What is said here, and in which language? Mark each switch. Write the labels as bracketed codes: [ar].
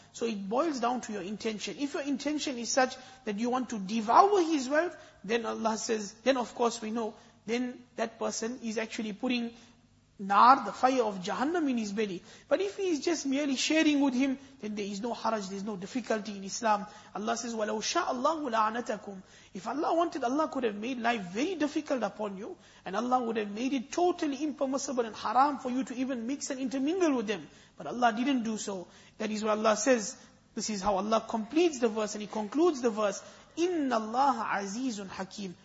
[en] So it boils down to your intention. If your intention is such that you want to devour his wealth, then Allah says, then of course we know, then that person is actually putting nar, the fire of Jahannam, in his belly. But if he is just merely sharing with him, then there is no haraj, there is no difficulty in Islam. Allah says, [ar] وَلَوْ شَاءَ اللَّهُ لَعَنَتَكُمْ. [en] If Allah wanted, Allah could have made life very difficult upon you, and Allah would have made it totally impermissible and haram for you to even mix and intermingle with them. But Allah didn't do so. That is what Allah says. This is how Allah completes the verse, and He concludes the verse. [ar] إِنَّ اللَّهَ عَزِيزٌ حَكِيمٌ.